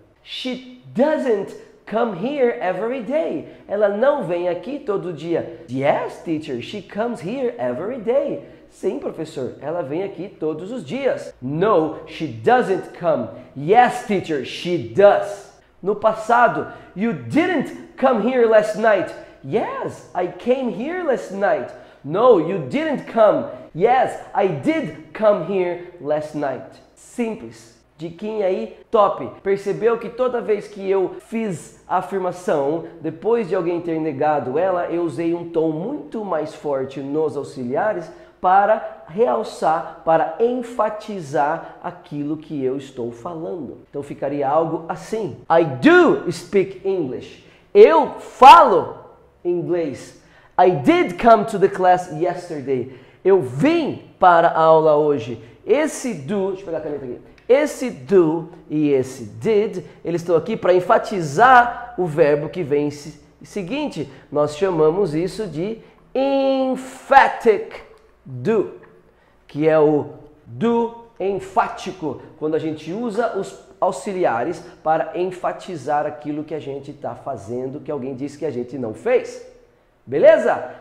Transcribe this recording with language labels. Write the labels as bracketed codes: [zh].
[en] "She doesn't come here every day." [pt] Ela não vem aqui todo dia. [en] "Yes, teacher, she comes here every day." [pt] Sim, professor, ela vem aqui todos os dias. [en] "No, she doesn't come." "Yes, teacher, she does." [pt] No passado: [en] "You didn't come here last night." "Yes, I came here last night." "No, you didn't come." "Yes, I did come here last night." [pt] Simples. Diquinha aí, top. Percebeu que toda vez que eu fiz a afirmação, depois de alguém ter negado ela, eu usei um tom muito mais forte nos auxiliares para realçar, para enfatizar aquilo que eu estou falando. Então ficaria algo assim: [en] "I do speak English." [pt] Eu falo inglês. [en] "I did come to the class yesterday." [pt] Eu vim para a aula hoje. Esse do, deixa eu pegar a caneta aqui. Esse do e esse did, eles estão aqui para enfatizar o verbo que vem seguinte. Nós chamamos isso de emphatic do, que é o do enfático, quando a gente usa os auxiliares para enfatizar aquilo que a gente está fazendo, que alguém disse que a gente não fez. Beleza?